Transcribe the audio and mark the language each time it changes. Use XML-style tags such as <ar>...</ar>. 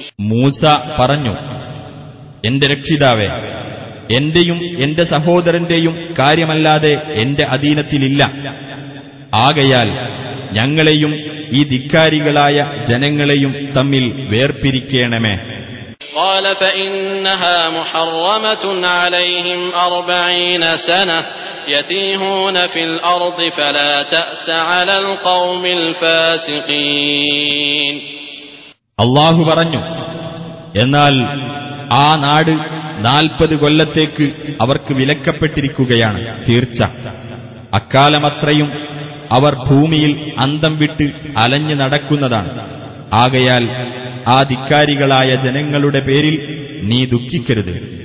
<ml>മൂസ പറഞ്ഞു, എന്റെ രക്ഷിതാവേ, എന്റെയും എന്റെ സഹോദരന്റെയും കാര്യമല്ലാതെ എന്റെ അധീനത്തിലില്ല. ആകയാൽ ഞങ്ങളെയും ഈ ധിക്കാരികളായ ജനങ്ങളെയും തമ്മിൽ വേർപിരിക്കണമേ.</ml> <ar>قال فإنها محرمة عليهم 40 سنة يتيهون في الأرض فلا تأس على القوم الفاسقين.</ar> <ml>അല്ലാഹു പറഞ്ഞു, എന്നാൽ ആ നാട് 40 കൊല്ലത്തേക്ക് അവർക്ക് വിലക്കപ്പെട്ടിരിക്കുകയാണ്. തീർച്ച അക്കാലമത്രയും അവർ ഭൂമിയിൽ അന്തം വിട്ട് അലഞ്ഞു നടക്കുന്നതാണ്. ആകയാൽ ആ ധിക്കാരികളായ ജനങ്ങളുടെ പേരിൽ നീ ദുഃഖിക്കരുത്.</ml>